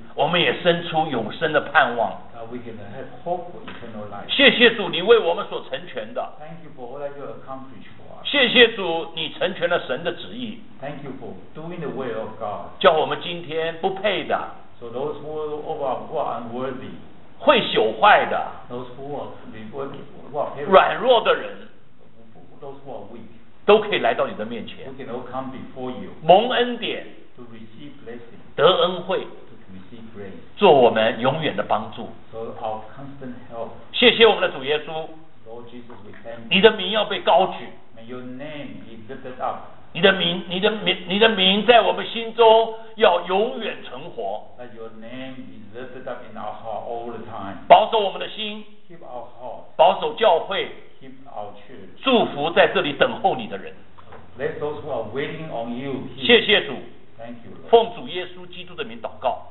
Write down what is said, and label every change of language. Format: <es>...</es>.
<zh>我们也生出永生的盼望。</zh> <en>That we can have hope for eternal life.</en> <zh>谢谢主，你为我们所成全的。</zh> <en>Thank you for all that you accomplished for us.</en> <zh>谢谢主，你成全了神的旨意。</zh> <en>Thank you for doing the will of God.</en> <zh>叫我们今天不配的。</zh> <en>So those who are unworthy.</en> <zh>会朽坏的。</zh> <en>Those who are wicked.</en> <zh>软弱的人。</zh> <en>Those who are weak.</en> <zh>都可以来到你的面前。</zh> <en>We can all come before you.</en> <zh>蒙恩典。</zh> <en>To receive blessing.</en> <zh>得恩惠。</zh> <en>To receive grace.</en> <zh>做我们永远的帮助。</zh> <en>So our constant help.</en> <zh>谢谢我们的主耶稣。</zh> <en>Lord Jesus, we thank you.</en> <zh>你的名要被高举。</zh> <en>May your name be lifted up.</en> <zh>你的名在我们心中要永远存活。</zh> <en>Let your name be lifted up in our heart all the time.</en> <zh>保守我们的心。</zh> <en>Keep our heart.</en> <zh>保守教会。</zh> <en>Keep our church.</en> <zh>祝福在这里等候你的人。</zh> <en>Let those who are waiting on you.</en> <zh>谢谢主。</zh> <en>Thank you, Lord.</en> <zh>奉主耶稣基督的名祷告。</zh>